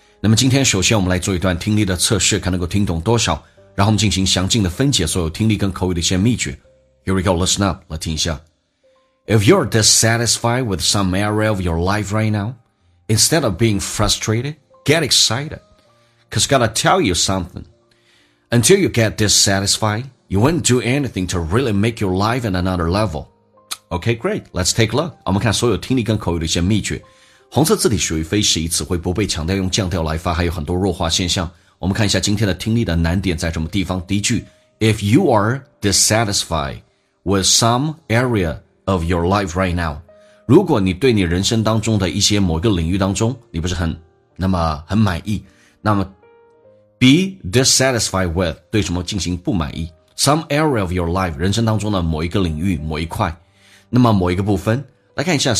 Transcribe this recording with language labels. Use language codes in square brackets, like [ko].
[zh] 那么今天首先我们来做一段听力的测试，看能够听懂多少，然后我们进行详尽的分解所有听力跟口语的一些秘诀。 [en] Here we go, listen up, [zh] 来听一下。 [en] If you're dissatisfied with some area of your life right now, instead of being frustrated, get excited, cause gotta tell you something. Until you get dissatisfied, you won't do anything to really make your life at another level. OK, great, let's take a look. [zh] 我们看所有听力跟口语的一些秘诀。红色字体属于非实义词汇，不被强调，用降调来发，还有很多弱化现象。我们看一下今天的听力的难点在什么地方。第一句 [en] If you are dissatisfied with some area of your life right now, [zh] 如果你对你人生当中的一些某一个领域当中你不是很满意，那么 [en] be dissatisfied with [zh] 对什么进行不满意， [en] some area of your life [zh] 人生当中的某一个领域某一块，那么某一个部分，来看一下。